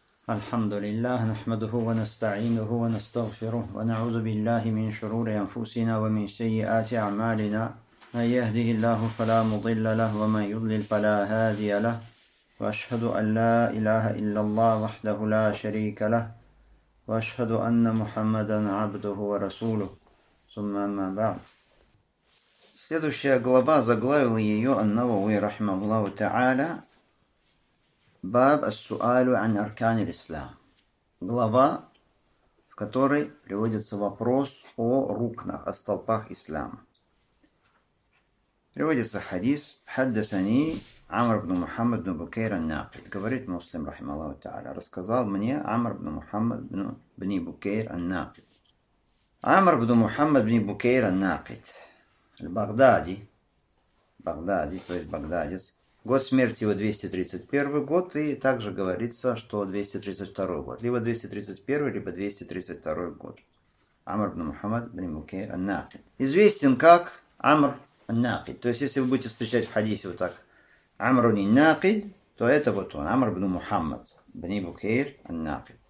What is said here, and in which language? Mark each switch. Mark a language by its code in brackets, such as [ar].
[ar] الحمد لله نحمده ونستعينه ونستغفره ونعوذ بالله من شرور أنفسنا ومن سيئات أعمالنا من يهده الله فلا مضل له ومن يضلل فلا هادي له وأشهد أن لا إله إلا الله وحده لا شريك له وأشهد أن محمدا عبده ورسوله ثم أما بعد. [ru] Следующая глава заглавил ее [ar] النووي رحمه الله تعالى باب السؤال عن أركان الإسلام. [ru] Глава, в которой приводится вопрос о рукнах, о столпах ислама. Приводится хадис [ar] حدثني عمرو بن محمد بن بكير الناقد. [ru] Говорит Муслим [ar] رحمه الله تعالى. [ru] Рассказал мне [ar] عمرو بن محمد بن بكير الناقد. عمرو بن محمد بن بكير الناقد. البغدادي. [ru] بغدادي, то есть багдадец. Год смерти его 231 год, и также говорится, что 232 год. Либо 231, либо 232 год. Амр ибн Мухаммад ибн Мукейр ан-Накид. Известен как Амр ан-Накид. То есть, если вы будете встречать в хадисе вот так Амр ан-Накид, то это вот он, Амр ибн Мухаммад ибн Мукейр ан-Накид.